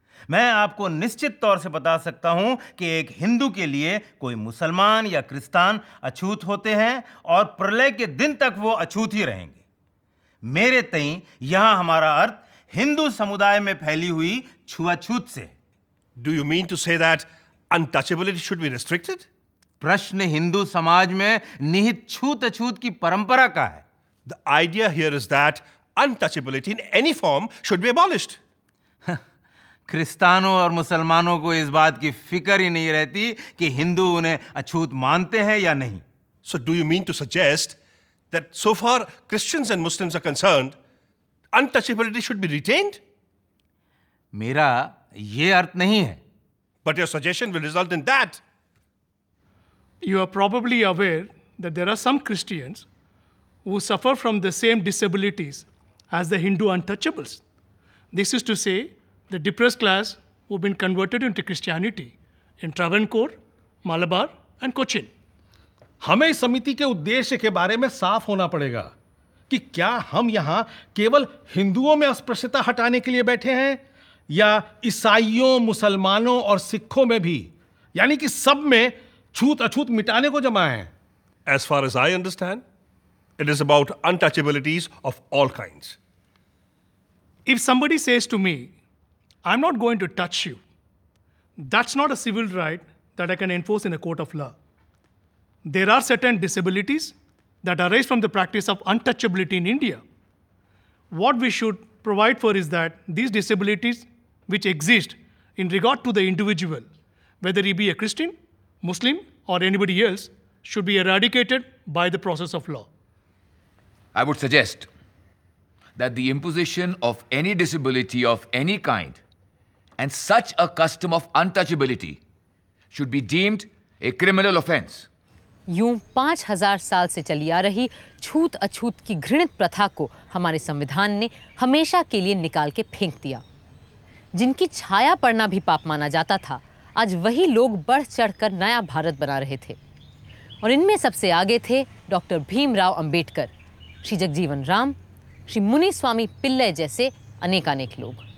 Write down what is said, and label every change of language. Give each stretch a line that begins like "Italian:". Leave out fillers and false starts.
Hindi: मैं आपको निश्चित तौर से बता सकता हूँ कि एक हिंदू के लिए कोई मुसलमान या क्रिस्तान अछूत होते हैं और प्रलय के दिन तक वो अछूत ही रहेंगे। मेरे तई यहाँ हमारा अर्थ हिंदू समुदाय में फैली हुई छुआछूत से।
English: Do you mean to say that untouchability should be restricted?
Hindi: प्रश्न हिंदू समाज में निहित छूत अछूत की परंपरा का है।
English: The idea here is that untouchability in any form should be abolished.
Hindi: क्रिस्तानों और मुसलमानों को इस बात की फिक्र ही नहीं रहती कि हिंदू उन्हें अछूत मानते हैं या नहीं।
English: So do you mean to suggest that so far Christians and Muslims are concerned untouchability should be retained?
Hindi: मेरा यह अर्थ नहीं है।
English: But your suggestion will result in that. You are probably aware that there are some Christians who suffer from the same disabilities as the Hindu untouchables. This is to say, the depressed class who have been converted into Christianity in Travancore, Malabar, and Cochin.
Hindi: हमें इस समिति के उद्देश्य के बारे में साफ होना पड़ेगा कि क्या हम यहाँ केवल हिंदुओं में अस्पृश्यता हटाने के लिए बैठे हैं या ईसाइयों, मुसलमानों और सिखों में भी, यानी कि सब में छूत अछूत मिटाने को जमा है।
English: As far as I understand, it is about untouchabilities of all kinds. If somebody says to me, I'm not going to touch you, that's not a civil right that I can enforce in a court of law. There are certain disabilities that arise from the practice of untouchability in India. What we should provide for is that these disabilities which exist in regard to the individual, whether he be a Christian, Muslim, or anybody else, should be eradicated by the process of law. I would suggest that the imposition of any disability of any kind and such a custom of untouchability should be deemed a criminal offense.
Hindi: यूं 5000 साल से चली आ रही छूत अछूत की घृणित प्रथा को हमारे संविधान ने हमेशा के लिए निकाल के फेंक दिया। जिनकी छाया पड़ना भी पाप माना जाता था, आज वही लोग बढ़ चढ़कर नया भारत बना रहे थे। और इनमें सबसे आगे थे डॉक्टर भीमराव अंबेडकर, श्री जगजीवन राम, श्री मुनि स्वामी पिल्लय जैसे अनेकानेक लोग।